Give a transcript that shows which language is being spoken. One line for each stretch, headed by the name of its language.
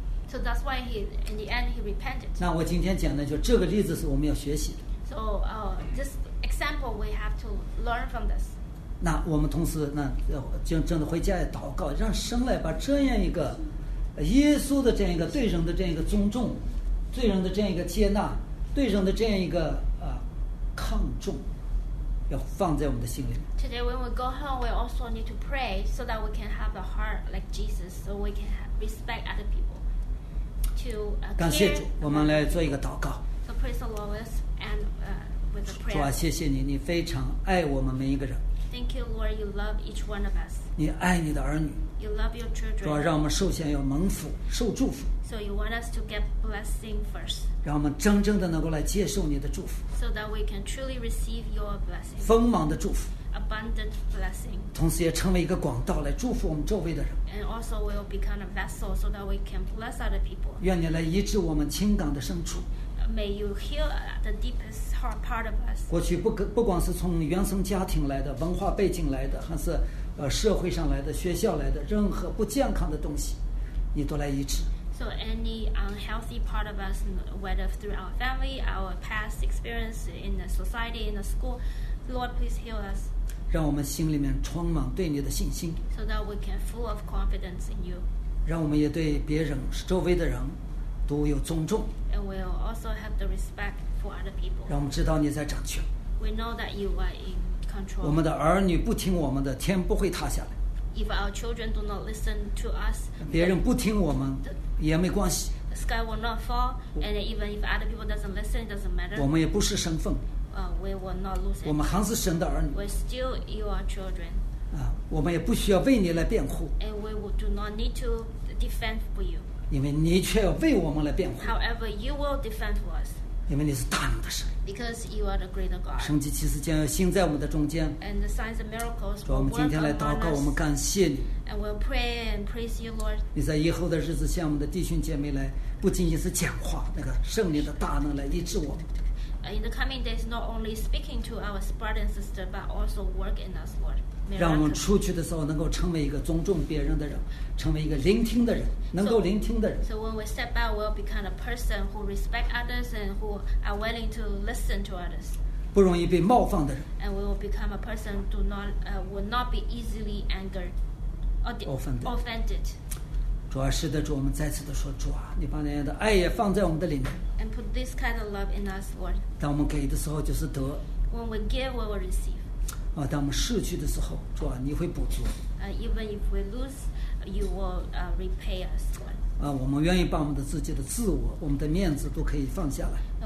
English: So that's why he, in the end, he repented.
Chinese: 那我今天讲的就这个例子是我们要学习的。
English: So, this example we have to learn from this.
Chinese: 那我们同时呢，就真的回家也祷告，让神来把这样一个耶稣的这样一个对人的这样一个尊重，对人的这样一个接纳，对人的这样一个看重，要放在我们的心里。
English: Today when we go home, we also need to pray so that we can have a heart like Jesus, so we can have. Respect other people. To care.
Chinese: 感谢主，我们来做一个祷告。
English: So praise the Lord and with a prayer.
Chinese: 主啊，谢谢你，你非常爱我们每一个人。
English: Thank you, Lord. You love each one of us.
Chinese: 你爱你的儿女。
English: You love your children.
Chinese: 主啊，让我们首先要蒙福，受祝福。
English: So you want us to get blessing first.
Chinese: 让我们真正的能够来接受你的祝福。
English: So that we can truly receive your blessing.
Chinese: 丰盛的祝福。
English: Abundant blessing.
Chinese: 同时也成为一个管道来祝福我们周围的人。
English: And also will become a vessel so that we can bless other people.
Chinese: 愿你来医治我们情感的深处。
English: May you heal the deepest heart part of us.
Chinese: 过去不管是从原生家庭来的、文化背景来的，还是社会上来的、学校来的，任何不健康的东西，你都来医治。
English: So any unhealthy part of us, whether through our family, our past experience in the society, in the school, Lord, please heal us.
Chinese: 让我们心里面充满对你的信心
English: so that we can full of confidence in you.
Chinese: 让我们也对别人周围的人都有尊重
English: and we will also have the respect for other people.
Chinese: 让我们知道你在掌权
English: we know that you are in control.
Chinese: 我们的儿女不听我们的天不会塌下来
English: if our children do not listen to us
Chinese: 别人不听我们也没关系
English: the sky will not fall and even if other people doesn't listen it doesn't matter.
Chinese: 我们也不失身份
English: We will not lose it.
Chinese: 我们还是神的儿女。
English: We're still your children.
Chinese: 我们也不需要为你来辩护。
English: And we do not need to defend for you.
Chinese: 因为你却要为我们来辩护。
English: However, you will defend for us.
Chinese: 因为你是大能的神。
English: Because you are the greater God.
Chinese: 神迹奇事将要行在我们的中间。
English: And the signs and miracles.
Chinese: 主，我们今天来祷告，我们感谢你。
English: And we'll pray and praise you, Lord.
Chinese: 你在以后的日子向我们的弟兄姐妹来，不仅仅是讲话，那个圣灵的大能来医治我们。
English: In the coming days, not only speaking to our Spartan sister, but also work in us, Lord.
Chinese: 让我们出去的时候能够成为一个尊重别人的人，成为一个聆听的人，能够聆听的人。
English: So when we step out, we'll become a person who respect others and who are willing to listen to others.
Chinese: 不容易被冒犯的人。
English: And we will become a person who will not be easily angered or offended.
Chinese: 主啊，是的，主，我们再次的说，主啊，你把那样的爱也放在我们的里面。
English: And put this kind of love in us, Lord.
Chinese: 当我们给的时候就是得。
English: When we give, we will receive.
Chinese: 啊，当我们失去的时候，主啊，你会补足。
English: Even if we lose, you will repay us, Lord.
Chinese: 啊，我们愿意把我们的自己的自我、我们的面子都可以放下来。